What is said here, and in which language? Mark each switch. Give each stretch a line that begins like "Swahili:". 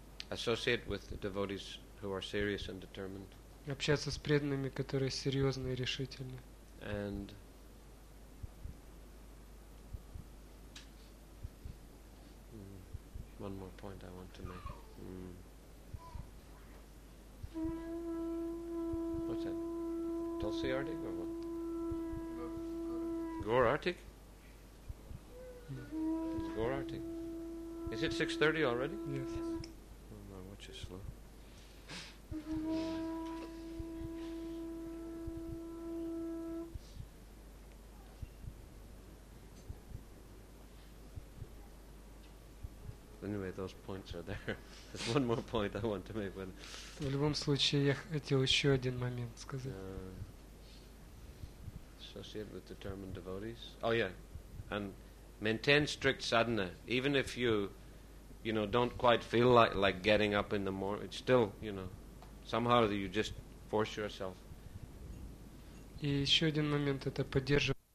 English: Associate with the devotees who are serious and determined.
Russian: Общаться с преданными, которые серьезны и решительны.
English: And one more point I want to make. What's that? Tulsi Artic or what? Gaur Artic? It's Gaur Artic. Is it 6:30 already? Yes. Oh, my watch is slow. Then anyway, those points are there. There's one more point I want to make. But
Russian: в любом случае, я хотел еще один момент сказать.
English: Associated with determined devotees. Oh yeah, and maintain strict sadhana, even if you, you know, don't quite feel like getting up in the morning. It's still, you know, somehow you just force yourself.
Russian: И еще один момент — это поддерживать.